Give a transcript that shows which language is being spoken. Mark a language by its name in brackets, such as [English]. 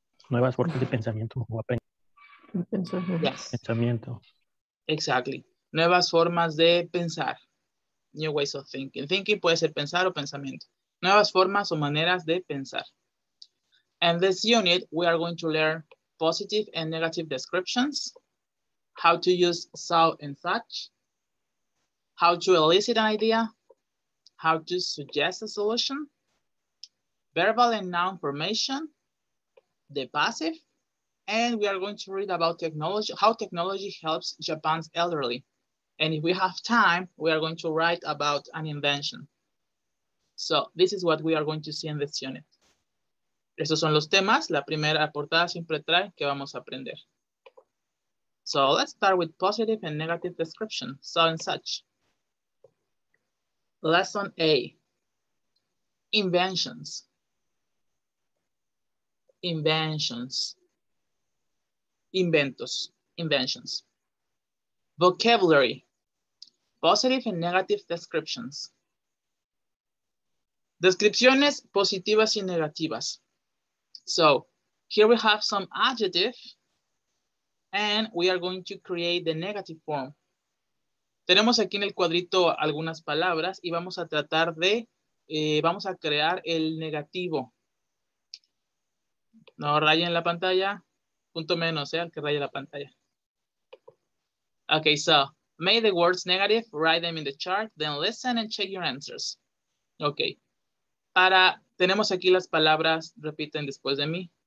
[Spanish] Nuevas formas de pensamiento. [English] Yes. [Spanish] Pensamiento. [English] Exactly. [Spanish] Nuevas formas de pensar. [English] New ways of thinking. [Spanish] Thinking puede ser pensar o pensamiento. Nuevas formas o maneras de pensar. [English] In this unit, we are going to learn positive and negative descriptions, how to use so and such, how to elicit an idea, how to suggest a solution, verbal and noun formation, the passive, and we are going to read about technology, how technology helps Japan's elderly. And if we have time, we are going to write about an invention. So this is what we are going to see in this unit. [Spanish] Esos son los temas. La primera portada siempre trae que vamos a aprender. [English] So let's start with positive and negative description, so and such. Lesson A, inventions. Inventions. Inventos, inventions. Vocabulary, positive and negative descriptions. [Spanish] Descripciones positivas y negativas. [English] So, here we have some adjective and we are going to create the negative form. [Spanish] Tenemos aquí en el cuadrito algunas palabras y vamos a tratar de, vamos a crear el negativo. No rayen la pantalla, punto menos, al que raye la pantalla. [English] Okay, so, make the words negative, write them in the chart, then listen and check your answers. Okay. [Spanish] Para, tenemos aquí las palabras, repiten después de mí.